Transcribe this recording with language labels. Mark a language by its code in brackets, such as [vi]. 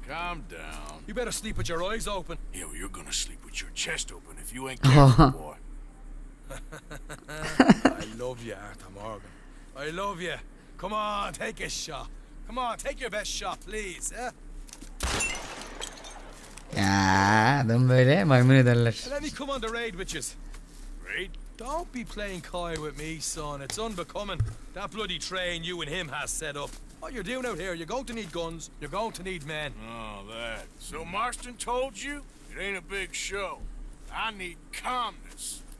[en] Calm down. You better sleep with your eyes open. Yeah, well, you're gonna sleep with your chest open if you ain't careful, boy. I love you, Arthur Morgan. I love you. Come on, take a shot. Come on, take your best shot, please. Eh? [tr] Yeah, adam böyle maymun ederler. [en] Let me come on the raid with you. Raid? Don't be playing coy with me, son. It's unbecoming. That bloody train you and him has set up. What you're doing out here, you're going to need guns. You're going to need men. Oh, that. So Marston told you? It ain't a big show. I need calmness.